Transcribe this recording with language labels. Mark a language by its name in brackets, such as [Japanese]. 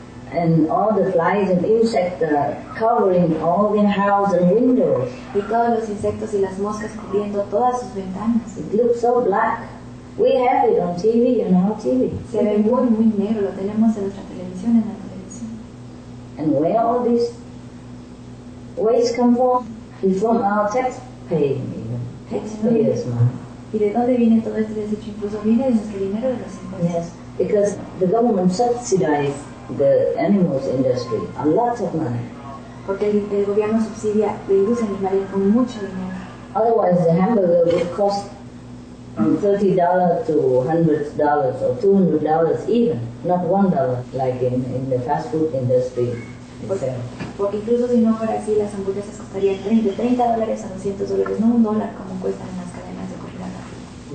[English] And all the flies and insects are covering all their houses and windows. [Spanish] Y todos los insectos y las moscas cubriendo todas sus ventanas. [English] It looks so black. We have it on TV, you know, TV. [Spanish] Se ve muy, muy negro. Lo tenemos en nuestra televisión, en la televisión. [English] And where all this waste come from? It's from our taxpayers' money. [Spanish] ¿Y de dónde viene todo este desecho? Incluso viene de nuestro dinero, de los impuestos. [English] Yes, because the government subsidizes the animals industry a lot of money. [Spanish] Porque el gobierno subsidia la industria animal con mucho dinero. [English] Otherwise, the hamburger would cost from $30 to $100 or $200 even, not $1 like in the fast food industry. [Spanish] Porque incluso si no fuera así, las hamburguesas costarían de $30 a $200, no $1 como cuestan las cadenas de comida rápida.